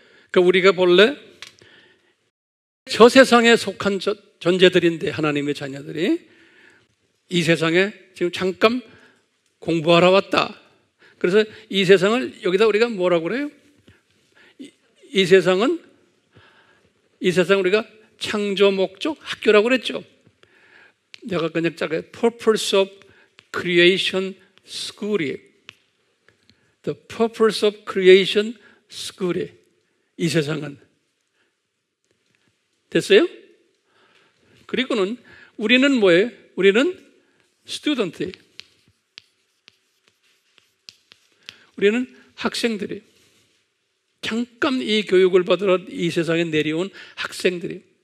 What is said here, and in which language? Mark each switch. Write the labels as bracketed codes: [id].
[ko] 그러니까 우리가 본래 저 세상에 속한 존재들인데 하나님의 자녀들이 이 세상에 지금 잠깐 공부하러 왔다. 그래서 이 세상을 여기다 우리가 뭐라고 그래요? 이 세상 우리가 창조 목적 학교라고 그랬죠. 내가 그냥 짧게 [en] purpose of creation school. The purpose of creation school. [ko] 이 세상은 됐어요? 그리고는 우리는 뭐예요? 우리는 student. 우리는 학생들이 잠깐 이 교육을 받으러 이 세상에 내려온 학생들이.